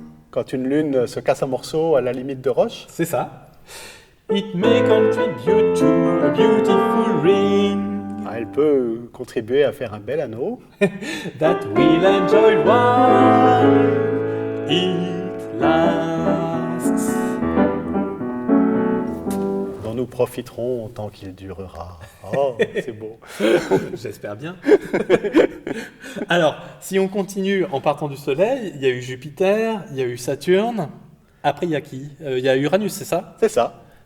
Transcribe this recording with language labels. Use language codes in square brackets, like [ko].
[fr] Quand une lune se casse en morceaux à la limite de Roche. C'est ça. [en] It may contribute to a beautiful ring. [fr] Elle peut contribuer à faire un bel anneau. [en] That we'll enjoy while it lasts. [fr] Dont nous profiterons tant qu'il durera. Oh, c'est beau. J'espère bien. Alors, si on continue en partant du Soleil, il y a eu Jupiter, il y a eu Saturne. Après, il y a qui ? Il y a Uranus, c'est ça ? C'est ça.